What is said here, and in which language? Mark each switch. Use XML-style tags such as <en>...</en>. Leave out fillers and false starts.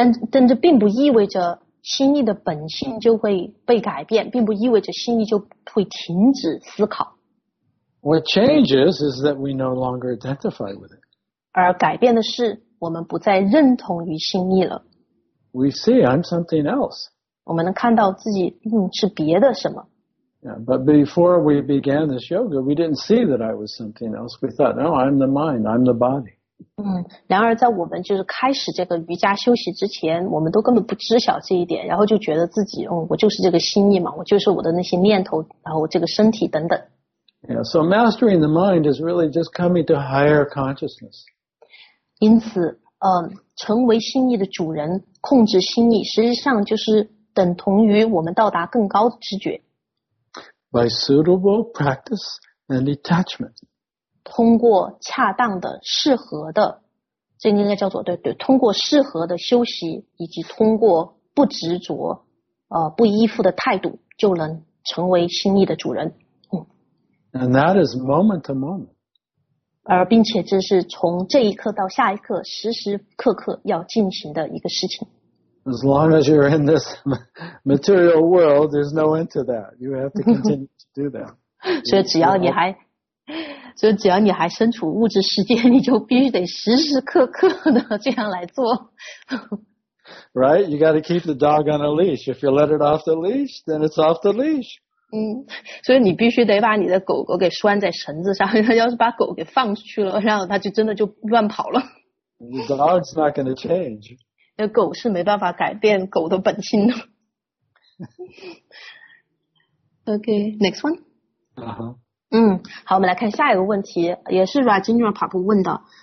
<zh>但这并不意味着心意的本性就会被改变，并不意味着心意就会停止思考。</zh> <en>What changes is that we no longer identify with it.</en> <zh>而改变的是，我们不再认同于心意了。</zh> <en>We see I'm something else.</en> <zh>我们能看到自己，是别的什么。</zh> <en>Yeah, but before we began this yoga, we didn't see that I was something else. We thought, no, I'm the mind, I'm the body.</en> <zh>然而在我们就是开始这个瑜伽休息之前，我们都根本不知晓这一点，然后就觉得自己，我就是这个心意嘛，我就是我的那些念头，然后这个身体等等。</zh> <en>Yeah, so mastering the mind is really just coming to higher consciousness.</en> <zh>因此，成为心意的主人，控制心意，实际上就是等同于我们到达更高的知觉。</zh> <en>By suitable practice and detachment.</en> <zh>通过恰当的适合的，这应该叫做对对，通过适合的休息以及通过不执着不依附的态度，就能成为心意的主人。</zh> <en>And that is moment to moment.</en> <zh>而并且这是从这一刻到下一刻时时刻刻要进行的一个事情。</zh> <en>As long as you're in this material world, there's no end to that. You have to continue to do that.</en> <zh>所以只要你还所以只要你还身处物质世界，你就必须得时时刻刻的这样来做。</zh> <en>Right? You got to keep the dog on a leash. If you let it off the leash, then it's off the leash.</en> <zh>嗯，所以你必须得把你的狗狗给拴在绳子上。要是把狗给放出去了，然后它就真的就乱跑了。</zh> <en>The dog's not going to change.</en> <zh>那狗是没办法改变狗的本性的。</zh> <en>Okay, next one.</en> <zh>好，我们来看下一个问题，也是 Rajendra Prabhu 问的。</zh>